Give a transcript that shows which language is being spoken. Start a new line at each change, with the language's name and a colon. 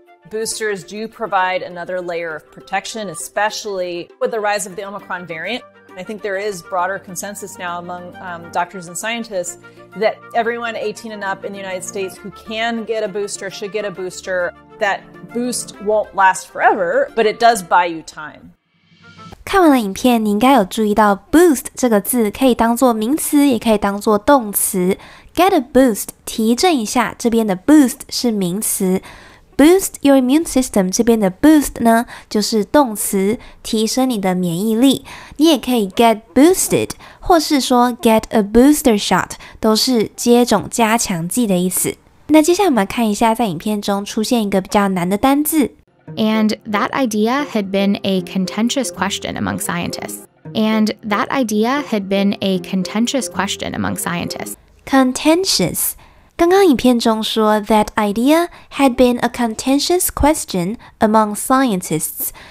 English: Boosters do provide another layer of protection, especially with the rise of the Omicron variant. I think there is broader consensus now among doctors and scientists that everyone 18 and up in the United States who can get a booster should get a booster. That boost won't last forever, but it does buy you time.
Chinese: 看完了影片，你应该有注意到 boost 这个字可以当作名词，也可以当作动词。
English: Get a boost，
Chinese: 提振一下，这边的 boost 是名词。
English: Boost your immune system，
Chinese: 这边的 boost 呢，就是动词，提升你的免疫力。你也可以
English: get boosted，
Chinese: 或是说
English: get a booster shot，
Chinese: 都是接种加强剂的意思。那接下来我们来看一下，在影片中出现一个比较难的单字。
English: And that idea had been a contentious question among scientists. And that idea had been a contentious question among scientists. Contentious.
Chinese: 刚刚影片中说
English: that idea had been a contentious question among scientists.